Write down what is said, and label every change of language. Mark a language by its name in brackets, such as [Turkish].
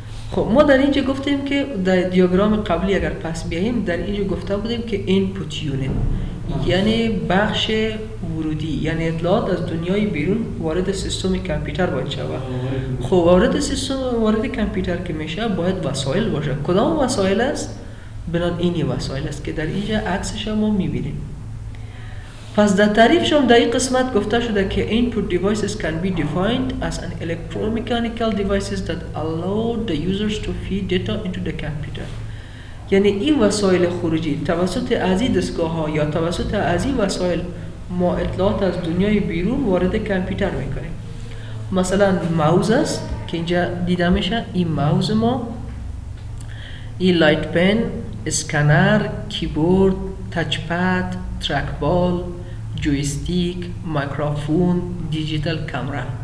[Persian] خب ما در اینجا گفتیم که در دیاگرام قبلی اگر پس بیاییم در اینجا گفته بودیم که input unit یعنی بخش ورودی، یعنی اطلاعات از دنیای بیرون وارد سیستم کامپیوتر باید شود. خب وارد سیستم وارد کامپیوتر که میشه باید وسایل باشه. کدام وسایل است؟ بنان اینی وسایل است که در اینجا عکسش ما میبینیم. پس در تعریف شما در این قسمت گفته شده که [English] input devices can be defined as an electromechanical devices that allow the users to feed data into the computer. [Persian] یعنی این وسایل خروجی توسط از این دستگاه ها یا توسط از این وسایل ما اطلاعات از دنیای بیرون وارد کامپیوتر میکنیم. مثلا ماوس است که اینجا دیده میشه، این ماوس ما، این لایت پن، اسکنر، کیبورد، تچ پد، ترک بال، جویستیک، میکروفون، دیجیتال کامرا.